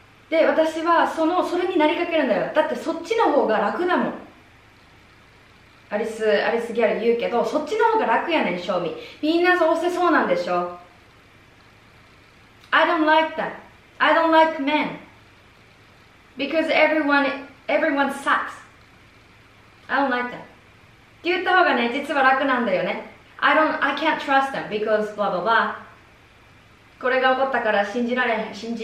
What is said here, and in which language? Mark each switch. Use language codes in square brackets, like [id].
[ja] で、私はそれになりかけるんだよ。だってそっちの方が楽だもん。アリスギャル言うけど、そっちの方が楽やねん、正味。みんなどうせそうなんでしょ。 [en] I don't like that. I don't like men. Because everyone sucks. I don't like that. [ja] って言った方がね、実は楽なんだよね。 [en] I can't trust them because blah blah blah. [ja] これが起こったから信じられへん。